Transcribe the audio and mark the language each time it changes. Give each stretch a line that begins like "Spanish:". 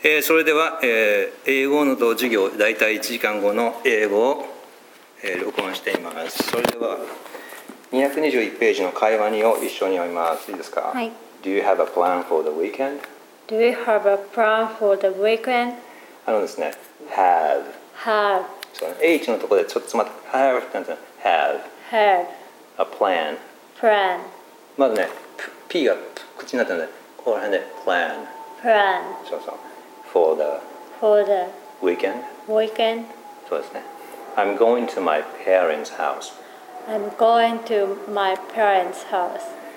Japanese: それでは、英語の授業大体1時間後の英語を、録音しています。それでは221ページの会話にを一緒に読みます。いいですか？はい。
English: Do you have a plan for the weekend? Do you have a plan for the weekend?
Japanese: あのですね、
English: Have Have
Japanese: H のところでちょっと詰まって
English: Have Have Have A plan Plan
Japanese: まずね、 P が口になってるのでここら辺で
English: Plan Plan
Japanese: そうそう、
English: For the weekend.
Japanese: そうですね。
English: I'm going to my parents' house. I'm going to my parents' house.